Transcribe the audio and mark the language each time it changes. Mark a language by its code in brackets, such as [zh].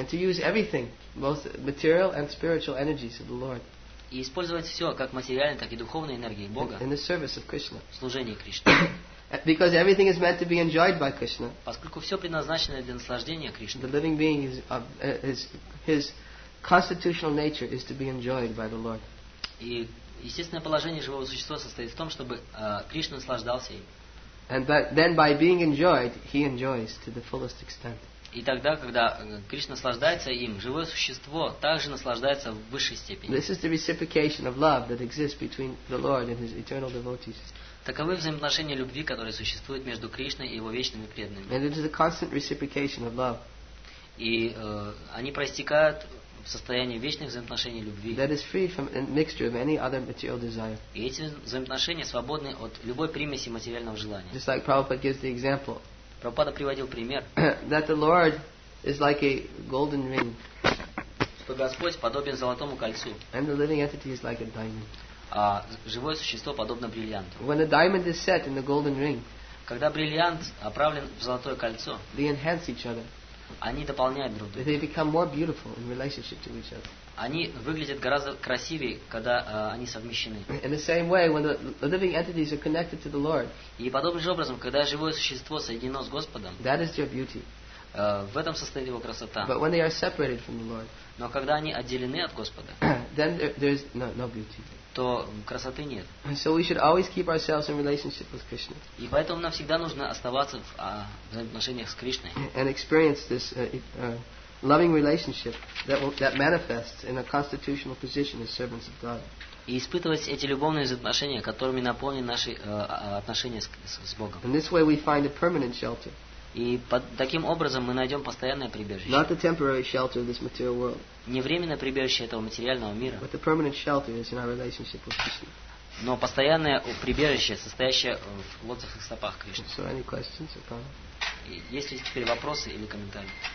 [en] And to use everything, both material and spiritual energies of the Lord. [ru] И использовать все, как материальные, так и духовные энергии Бога в служении Кришне. Поскольку все предназначено для наслаждения Кришны. И естественное положение живого существа состоит в том, чтобы Кришна наслаждался им. [en] And then by being enjoyed, he enjoys to the fullest extent. [ru] И тогда, когда Кришна наслаждается им, живое существо также наслаждается в высшей степени. [en] This is the reciprocation of love that exists between the Lord and His eternal devotees. [ru] Таковы взаимоотношения любви, которые существуют между Кришной и Его вечными преданными. [en] And it is a constant reciprocation of love. [ru] И они проистекают в состоянии вечных взаимоотношений любви. [en] That is free from a mixture of any other material desire. [ru] И эти взаимоотношения свободны от любой примеси материального желания. [en] Just like Prabhupada gives the example. [ru] Прабхупада приводил пример, [en] that the Lord is like a golden ring, [ru] что Господь подобен золотому кольцу, [en] and the living entity is like a diamond. [ru] А живое существо подобно бриллианту. [en] When a diamond is set in the golden ring, [ru] когда бриллиант оправлен в золотое кольцо, [en] they enhance each other. [ru] Они дополняют друг друга. [en] They become more beautiful in relationship to each other. [ru] Они выглядят гораздо красивее, когда они совмещены. [en] In the same way, when the living entities are connected to the Lord. [ru] И подобным же образом, когда живое существо соединено с Господом. [en] That is their beauty. [ru] В этом состоит его красота. [en] But when they are separated from the Lord. [ru] Но когда они отделены от Господа. [en] Then there is no beauty. [ru] То красоты нет. [en] So we should always keep ourselves in relationship with Krishna. [ru] И поэтому нам всегда нужно оставаться в взаимоотношениях с Кришной. [en] And experience this. Loving relationship that manifests in a constitutional position as servants of God. [ru] И испытывать эти любовные взаимоотношения, которыми наполнены наши отношения с Богом. [en] In this way, we find a permanent shelter. [ru] И таким образом мы найдем постоянное прибежище. [en] Not the temporary shelter of this material world. [ru] Не временное прибежище этого материального мира. [en] But the permanent shelter is in our relationship with Krishna. [ru] Но постоянное прибежище, состоящее в лотосных стопах Кришны. [en] So, any questions or comments? [ru] Есть ли теперь вопросы или комментарии?